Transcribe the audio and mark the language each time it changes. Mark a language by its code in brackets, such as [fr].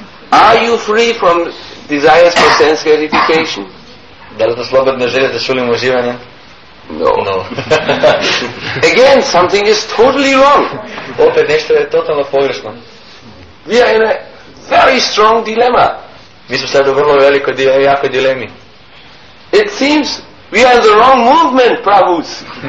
[en] Are you free from desires for sense gratification? [hr] Da li to slobodne želje za čulim uživanjem? [en] No. No. Again, something is totally wrong. [hr] Opet nešto je totalno pogrešno. [en] We are in a very strong dilemma. [hr] Mi smo sad u vrlo velikoj jakoj dilemi. [en] It seems we are the wrong movement, Prabhus.